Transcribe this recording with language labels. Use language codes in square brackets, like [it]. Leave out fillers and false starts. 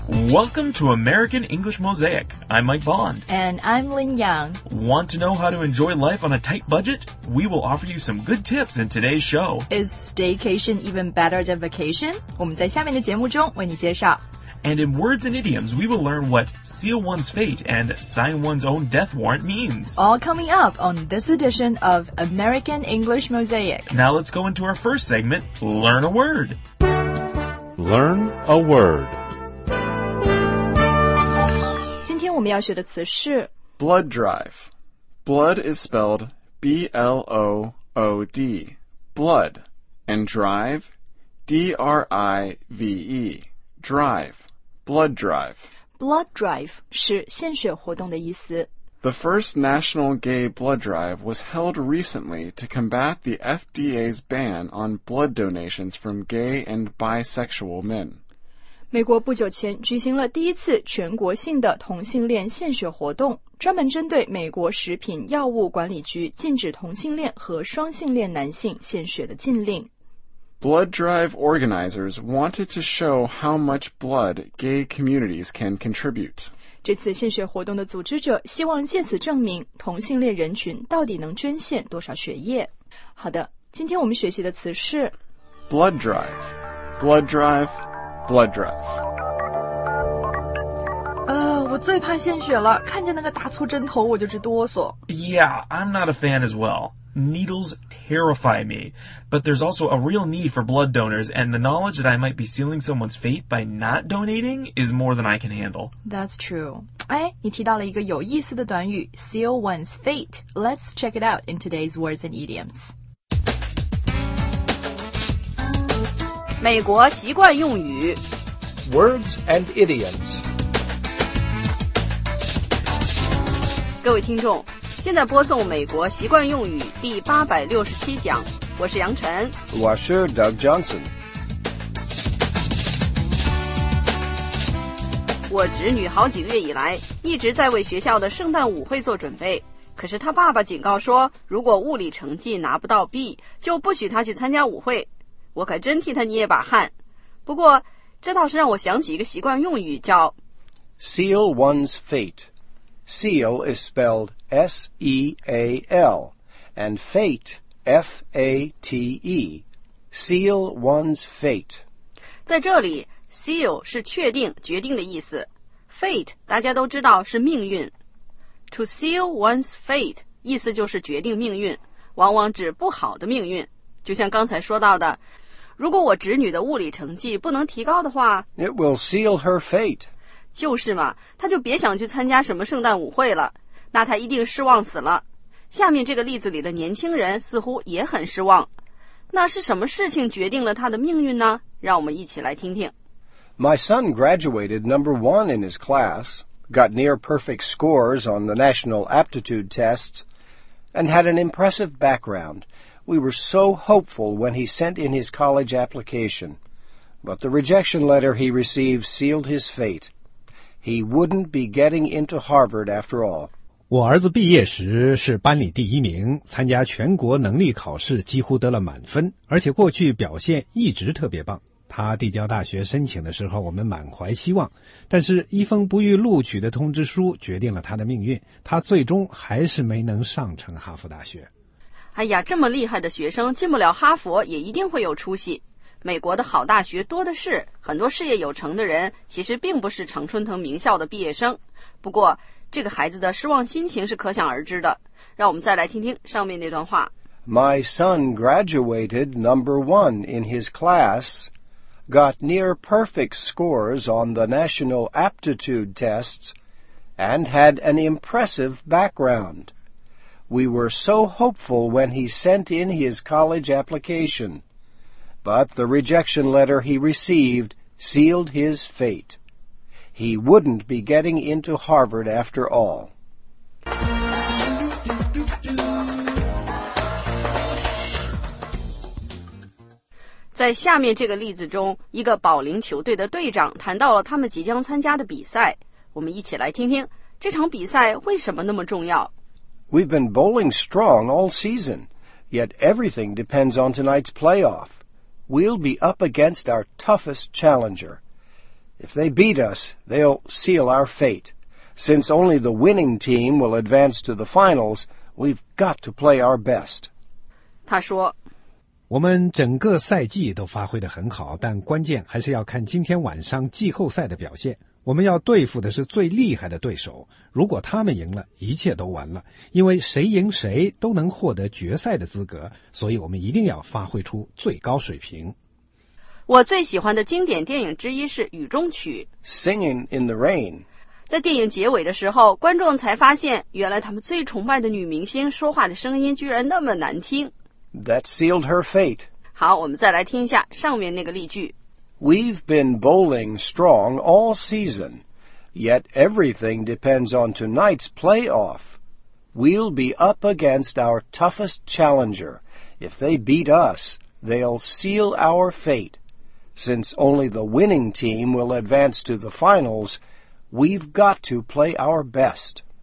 [en] Welcome to American English Mosaic. I'm Mike Bond. And I'm Lin Yang. Want to know how to enjoy life on a tight budget? We will offer you some good tips in today's show. Is staycation even better than vacation? [zh] 我们在下面的节目中为你介绍。 [en] And in words and idioms, we will learn what seal one's fate and sign one's own death warrant means. All coming up on this edition of American English Mosaic. Now let's go into our first segment, Learn a Word. Learn a Word. [zh] 我们要学的词是 [en] blood drive. Blood is spelled B-L-O-O-D, blood, and drive, D-R-I-V-E, drive, blood drive. [zh] Blood drive 是献血活动的意思。 [en] The first national gay blood drive was held recently to combat the FDA's ban on blood donations from gay and bisexual men. [zh] 美国不久前举行了第一次全国性的同性恋献血活动，专门针对美国食品药物管理局禁止同性恋和双性恋男性献血的禁令。 [en] Blood drive organizers wanted to show how much blood gay communities can contribute. [zh] 这次献血活动的组织者希望借此证明同性恋人群到底能捐献多少血液。好的，今天我们学习的词是 [en] blood drive, blood drive. Blood drive. [zh] 我最怕献血了，看见那个大粗针头我就直哆嗦。 [en] Yeah, I'm not a fan as well. Needles terrify me. But there's also a real need for blood donors, and the knowledge that I might be sealing someone's fate by not donating is more than I can handle. That's true. [zh] 哎，你提到了一个有意思的短语 [en] seal one's fate. Let's check it out in today's words and idioms. [zh] 美国习惯用语 [en] Words and idioms [zh] 各位听众现在播送美国习惯用语第867讲我是杨晨我是 Doug Johnson 我侄女好几个月以来一直在为学校的圣诞舞会做准备可是她爸爸警告说如果物理成绩拿不到 B 就不许她去参加舞会我可真替他捏把汗不过这倒是让我想起一个习惯用语叫 [en] Seal one's fate Seal is spelled S-E-A-L And fate F-A-T-E Seal one's fate [zh] 在这里 Seal 是确定决定的意思 Fate 大家都知道是命运 [en] To seal one's fate [zh] 意思就是决定命运往往指不好的命运就像刚才说到的如果我侄女的物理成绩不能提高的话 [en] It will seal her fate [zh] 就是嘛她就别想去参加什么圣诞舞会了那她一定失望死了下面这个例子里的年轻人似乎也很失望那是什么事情决定了她的命运呢让我们一起来听听 [en] My son graduated number one in his class got near perfect scores on the national aptitude tests and had an impressive backgroundWe were so hopeful when he sent in his college application. But the rejection letter he received sealed his fate. He wouldn't be getting into Harvard after all. [zh] 我儿子毕业时是班里第一名，参加全国能力考试几乎得了满分，而且过去表现一直特别棒。他递交大学申请的时候，我们满怀希望，但是一封不予录取的通知书决定了他的命运，他最终还是没能上成哈佛大学。哎呀，这么厉害的学生进不了哈佛也一定会有出息。美国的好大学多的是，很多事业有成的人其实并不是常春藤名校的毕业生。不过，这个孩子的失望心情是可想而知的。让我们再来听听上面那段话。 [en] My son graduated number one in his class, got near perfect scores on the national aptitude tests, and had an impressive background. We were so hopeful when he sent in his college application. But the rejection letter he received sealed his fate. He wouldn't be getting into Harvard after all. [zh] 在下面这个例子中，一个保龄球队的队长谈到了他们即将参加的比赛。我们一起来听听，这场比赛为什么那么重要？ [en] We've been bowling strong all season, yet everything depends on tonight's playoff. We'll be up against our toughest challenger. If they beat us, they'll seal our fate. Since only the winning team will advance to the finals, we've got to play our best. [zh] 他说，我们整个赛季都发挥得很好，但关键还是要看今天晚上季后赛的表现。我们要对付的是最厉害的对手，如果他们赢了，一切都完了，因为谁赢谁都能获得决赛的资格，所以我们一定要发挥出最高水平。我最喜欢的经典电影之一是《雨中曲》 [en] Singing in the Rain。 [zh] 在电影结尾的时候，观众才发现原来他们最崇拜的女明星说话的声音居然那么难听。 [en] That sealed her fate。 [zh] 好，我们再来听一下上面那个例句。 [en] We've been bowling strong all season, yet everything depends on tonight's playoff. We'll be up against our toughest challenger. If they beat us, they'll seal our fate. Since only the winning team will advance to the finals, we've got to play our best.